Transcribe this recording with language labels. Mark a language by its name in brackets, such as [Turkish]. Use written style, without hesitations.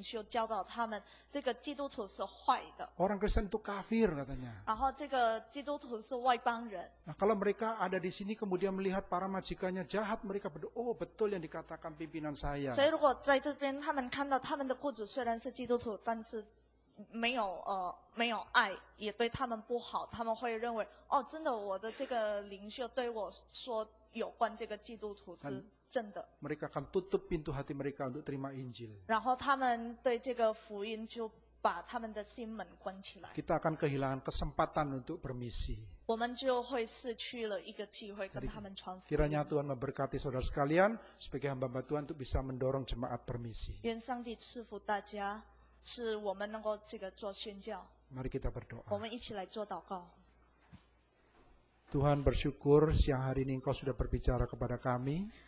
[Chinese] 因为他们这些回教，这些外劳就是在印尼大部分是回教，所以他们的领袖教导他们这个基督徒是坏的。 [Indonesian] Orang Kristen itu kafir katanya. [Chinese] 然后这个基督徒是外邦人。 [Indonesian] Nah, kalau mereka ada di sini kemudian melihat para majikannya jahat, mereka berdoa, oh betul yang dikatakan pimpinan saya. [Chinese] 所以如果在这边他们看到他们的雇主虽然是基督徒，但是 没有爱，也对他们不好，他们会认为，哦，真的，我的这个领袖对我说有关这个基督徒是真的。 [Indonesian] Mereka akan tutup pintu hati mereka untuk terima Injil. [Chinese] 然后他们对这个福音就把他们的心门关起来。 [Indonesian] Kita akan kehilangan kesempatan untuk bermisi. [Chinese] 我们就会失去了一个机会跟他们传福音。 [Indonesian] Kiranya Tuhan memberkati saudara sekalian sebagai hamba-hamba Tuhan untuk bisa mendorong jemaat bermisi. [Chinese] 愿上帝赐福大家。是我们能够这个做宣教。 [Indonesian] Mari kita berdoa. [Chinese] 我们一起来做祷告。 [Indonesian] Tuhan bersyukur siang hari ini Engkau sudah berbicara kepada kami.